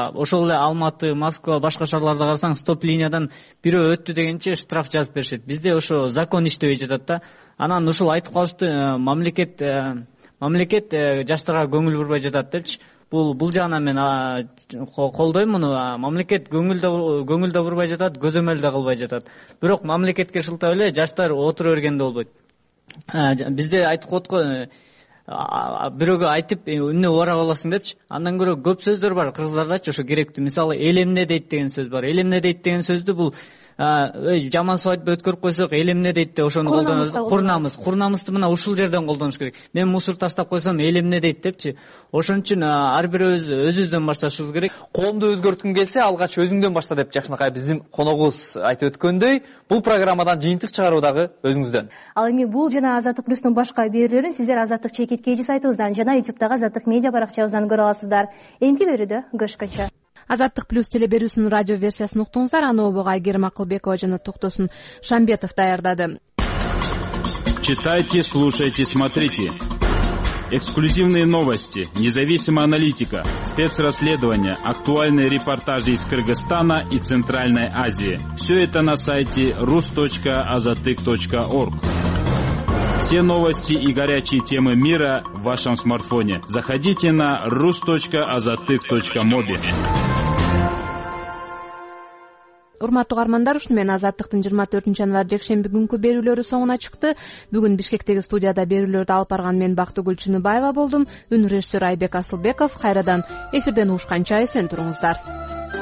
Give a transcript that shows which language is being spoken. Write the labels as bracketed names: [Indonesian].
[Kyrgyz] Ошол эле Алматы, Москва, башка шаарларда карасаң стоп линиядан бирөө өттү дегенче штраф жазып беришет. Бизде ошо закон иштебей жатат да. Анан ушул айтып калышты, мамлекет жаштарга көңүл бурбай жатат депчи. Бул жагынан мен колдойм муну. Мамлекет көңүл да бурбай жатат, көзөмөл да кылбай жатат. Бирок мамлекетке шылтап эле жаштар отура бергенде болбойт. Бизде айтып коткон бирөөгө айтып эмне убара аласың депчи. Андан көрө көп сөздөр бар кыргыздардачы, ошо керектүү. Мисалы эл эмне дейт деген сөз бар. Эл эмне дейт деген сөздү бул жаман свадьба өткөрүп койсок эл эмне дейт деп ошону колдонобуз. Курнамыз. Курнамызды мына ушул жерден колдонуш керек. Мен мусор таштап койсом эл эмне дейт депчи. Ошон үчүн ар бирөөбүз өзүбүздөн башташыбыз керек. Коомду өзгөрткүң келсе алгач өзүңдөн башта деп жакшынакай биздин коногубуз айтып өткөндөй, бул программадан жыйынтык чыгаруу дагы өзүңүздөн. Ал эми бул жана Азаттык Плюстун башка берүүлөрүн сиздер Азаттык Чекит KG сайтыбыздан жана YouTube-дагы Азаттык медиа баракчабыздан көрө аласыздар. Эмки берүүдө көрүшкөнчө. Азаттык Плюс телеберүүсүнүн радио версиясын уктуңуздар. Аны обого Айгерим Акылбекова жана Токтосун Шамбетов даярдады. [Russian] Читайте, слушайте, смотрите. Эксклюзивные новости, независимая аналитика, спецрасследования, актуальные репортажи из Кыргызстана и Центральной Азии. Все это на сайте rus.azatyk.org. Все новости и горячие темы мира в вашем смартфоне. Заходите на rus.azatyk.mobi. [Kyrgyz] Урматтуу каармандар, ушуну менен Азаттыктын 24-январ жекшемби күнкү берүүлөрү соңуна чыкты. Бүгүн Бишкектеги студияда берүүлөрдү алып барган мен Бактыгүл Чыныбаева болдум. Үн режиссёру Айбек Асылбеков. Кайрадан эфирден ушканча эсен туруңуздар.